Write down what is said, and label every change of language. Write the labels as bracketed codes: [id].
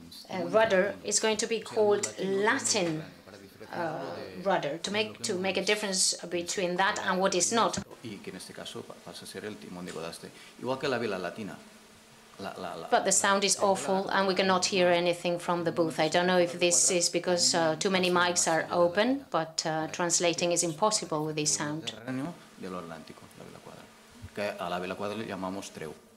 [en] Rudder is going to be called Latin rudder to make a difference between that and what is not. [es] Y que en este caso pasa a ser el timón de Godaste, igual que la vela latina. [en] But the sound is awful, and we cannot hear anything from the booth. I don't know if this is because too many mics are open, but translating is impossible with this sound. [es] Del Atlántico, la vela cuadrada. Que a la vela cuadrada le llamamos treu.